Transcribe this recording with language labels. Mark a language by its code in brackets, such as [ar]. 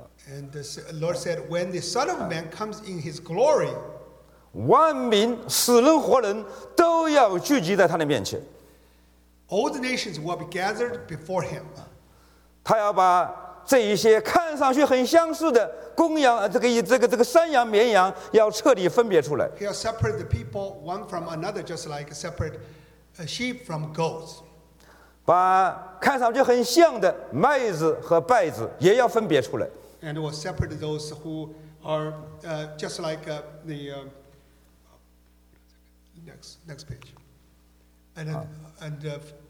[en] And the Lord said, when the Son of Man comes in His glory, [zh] 万民死人活人都要聚集在他的面前。 [en] All the nations will be gathered before Him. [zh] 他要把这一些看上去很相似的公羊，这个山羊、绵羊，要彻底分别出来。 [en] He'll separate the people one from another, just like separate a sheep from goats. [zh] 把看上去很像的麦子和稗子也要分别出来。 [en] And will separate those who are just like the next page.